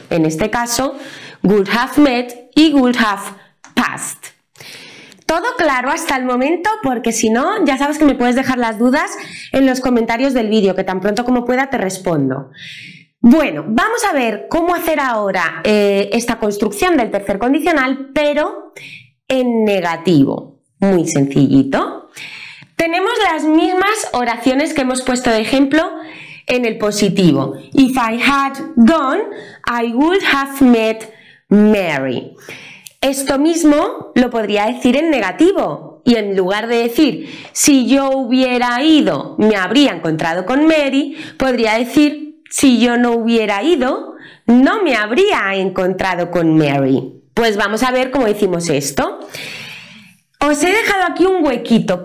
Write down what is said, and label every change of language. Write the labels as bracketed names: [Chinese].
[Spanish] En este caso, [English] would have met y would have passed. [Spanish] ¿Todo claro hasta el momento? Porque si no, ya sabes que me puedes dejar las dudas en los comentarios del vídeo, que tan pronto como pueda te respondo. Bueno, vamos a ver cómo hacer ahora esta construcción del tercer condicional, pero en negativo. Muy sencillito. Tenemos las mismas oraciones que hemos puesto de ejemplo en el positivo. [English] If I had gone, I would have met Mary. [Spanish] Esto mismo lo podría decir en negativo. Y en lugar de decir, si yo hubiera ido, me habría encontrado con Mary, podría decir, si yo no hubiera ido, no me habría encontrado con Mary. Pues vamos a ver cómo decimos esto. Os he dejado aquí un huequito.